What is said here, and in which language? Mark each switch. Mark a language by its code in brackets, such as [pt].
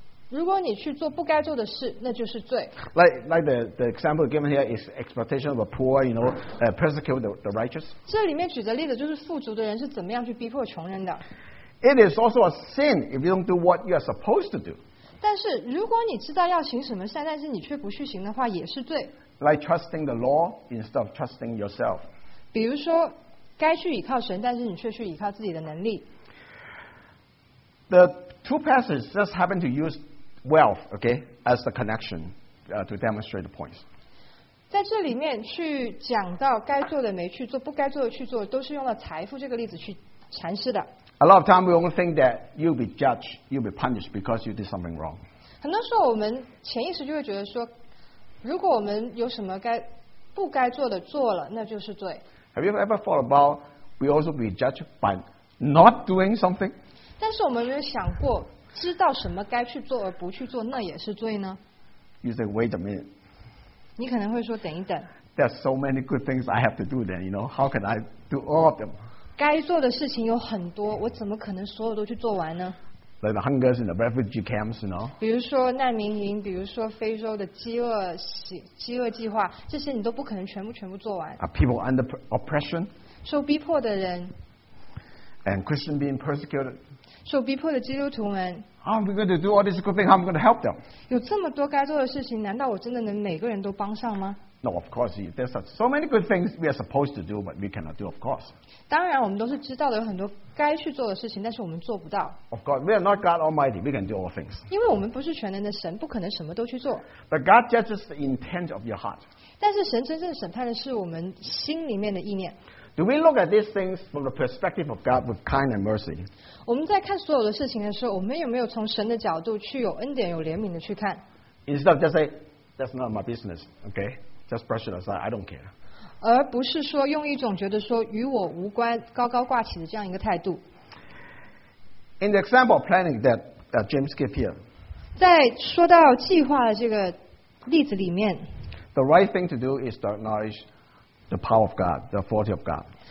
[zh] 如果你去做不该做的事，那就是罪。 [en] Like the example given here is exploitation of the poor, you know, persecute the righteous. [zh] 这里面举的例子就是富足的人是怎么样去逼迫穷人的。 [en] It is also a sin if you don't do what you are supposed to do. [zh] 但是如果你知道要行什么善，但是你却不去行的话，也是罪。 [en] Like trusting the law instead of trusting yourself. [zh] 比如说，该去倚靠神，但是你却去倚靠自己的能力。 [en] The two passages just happen to use wealth, okay, as the connection, to demonstrate the points. [zh] 在这里面去讲到该做的没去做，不该做的去做，都是用了财富这个例子去阐释的。 [en] A lot of time we only think that you'll be judged, you'll be punished because you did something wrong. [zh] 很多时候我们潜意识就会觉得说。如果我们有什么该不该做的做了，那就是罪。 [en] Have you ever thought about we also be judged by not doing something? [zh] 但是我们有没有想过，知道什么该去做而不去做，那也是罪呢？ [en] You say, wait a minute. [zh] 你可能会说，等一等。 [en] There are so many good things I have to do then, you know, how can I do all of them? [zh] 该做的事情有很多，我怎么可能所有都去做完呢？ [en] Like the hungers in the refugee camps, you know. [zh] 比如说难民营，比如说非洲的饥饿计划，这些你都不可能全部做完。 [en] People under oppression. [zh] 受逼迫的人。 [en] And Christian being persecuted. [zh] 受逼迫的基督徒们。 [en] How am I going to do all these good things? How am I going to help them? [zh] 有这么多该做的事情，难道我真的能每个人都帮上吗？ [en] No, of course. There's so many good things we are supposed to do, but we cannot do. Of course. [zh] 当然，我们都是知道的，有很多该去做的事情，但是我们做不到。 [en] Of course, we are not God Almighty. We can do all things. [zh] 因为我们不是全能的神，不可能什么都去做。 [en] But God judges the intent of your heart. [zh] 但是神真正审判的是我们心里面的意念。 [en] Do we look at these things from the perspective of God with kind and mercy? [zh] 我们在看所有的事情的时候，我们有没有从神的角度去有恩典、有怜悯的去看？ [en] Instead of just say, "That's not my business," okay? Just brush it aside. I don't care. [zh] 而不是说用一种觉得说与我无关、高高挂起的这样一个态度。 [en] In the example of planning that James gave here, [zh] 在说到计划的这个例子里面 [en] ，the right thing to do is to acknowledge the power of God, the authority of God.